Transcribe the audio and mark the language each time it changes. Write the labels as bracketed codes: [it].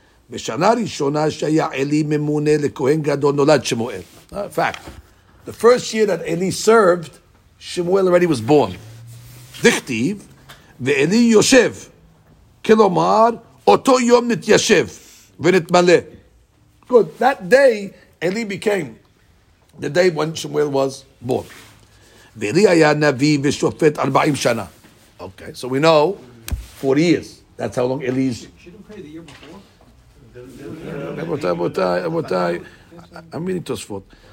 [he] בשנה ראשונה שהיה אלי ממונה לכהן גדול נולד שמואל. [en] Fact. The first year that Eli served, Shmuel already was born. [he] דכתיב, ואלי יושב. כלומר, אותו יום נתיישב ונתמלא. [en] Good. That day, Eli became the day when Shmuel was born. [he] ואלי היה נביא ושופט 40 שנה. Okay. [en] So we know 40 years. That's how long Eli is. She didn't pay the year before. I'm reading Tosfot.